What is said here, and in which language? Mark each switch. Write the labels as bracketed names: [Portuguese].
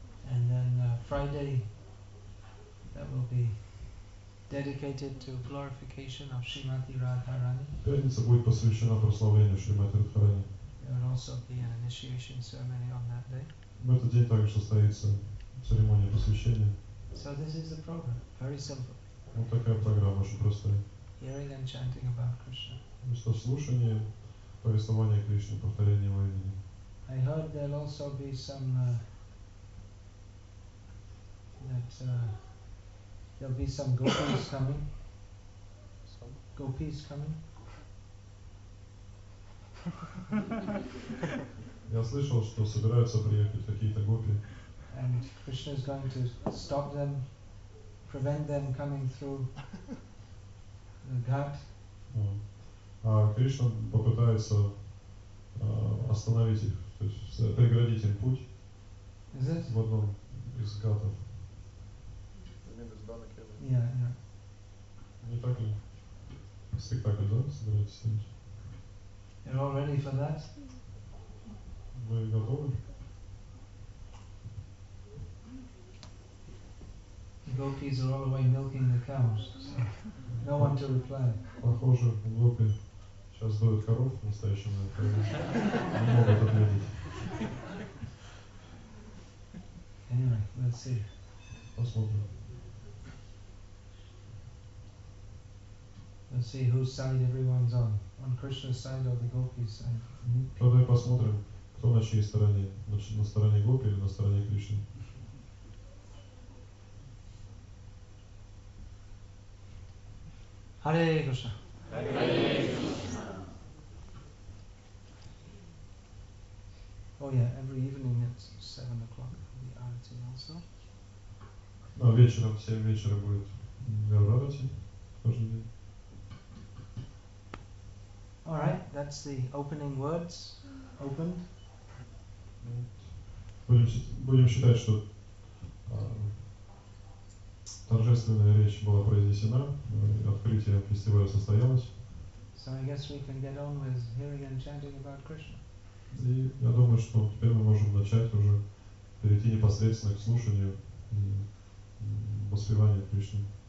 [English] And then Friday that will be dedicated to glorification of Srimati Radharani. [Russian] Пятница будет посвящена прославлению Шримати Радхарани. [English] There will also be an initiation ceremony on that day. [Russian] В этот день также состоится церемония посвящения. [English] So this is the program, very simple. [Russian] Вот такая программа, очень простая. [English] Hearing and chanting about Krishna. [Russian] Просто слушание, повествование Кришны, повторение его имени. [English] I heard there will also be some there'll be some gopis coming. Some gopis coming. [Russian] Я слышал, что собираются приехать какие-то гопи. [English] And Krishna is going to stop them prevent them coming through the ghat. [Russian] А Кришна попытается остановить их, то есть преградить им путь. [English] Is it? [Russian] В одном из гатов. [English] Yeah. [Russian] Не так ли? Спектакль, да, собираетесь снимать? [English] You're all ready for that? [Russian] Вы готовы? [English] The gopis are all away milking the cows, so no one to reply. [Russian] Похоже, гопи сейчас доят коров в настоящем момент. Они могут ответить. [English] Anyway, let's see. [Russian] Посмотрим. [English] Let's see whose side everyone's on. On Krishna's side or the gopis' side. Mm-hmm. [Russian] Давай посмотрим, кто на чьей стороне. На стороне гопи или на стороне Кришны. [Sanskrit] Hare Krishna. Hare Krishna. [English] Oh yeah, every evening at 7 o'clock the arati also. [Russian] А вечером, 7 вечера будет арати каждый день. [English] All right, that's the opening words, opened. [Russian] Будем считать, что торжественная речь была произнесена, открытие фестиваля состоялось. [English] So I guess we can get on with hearing and chanting about Krishna. [Russian] И я думаю, что теперь мы можем начать уже перейти непосредственно к слушанию воспевания Кришны.